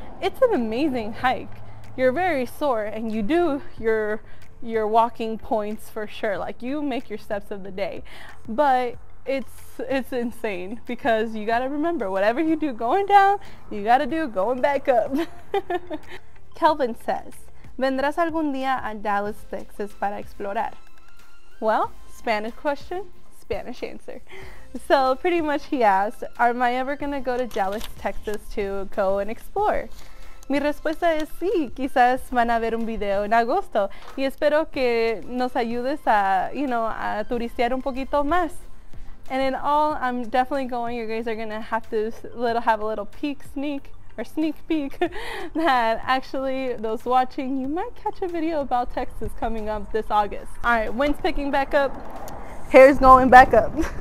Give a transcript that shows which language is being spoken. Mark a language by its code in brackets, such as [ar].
[en] It's an amazing hike. You're very sore and you do your walking points for sure. Like, you make your steps of the day, but it's insane, because you gotta remember, whatever you do going down, you gotta do going back up. Kelvin says, [es] ¿Vendrás algún día a Dallas, Texas para explorar? [en] Well, Spanish question, Spanish answer. So pretty much he asked, am I ever gonna go to Dallas, Texas to go and explore? [es] Mi respuesta es sí, quizás van a ver un video en agosto y espero que nos ayudes a, [en] you know, [es] a turistear un poquito más. [en] And in all, I'm definitely going. You guys are gonna have to have a little sneak peek that actually those watching, you might catch a video about Texas coming up this August. All right, wind's picking back up, hair's going back up.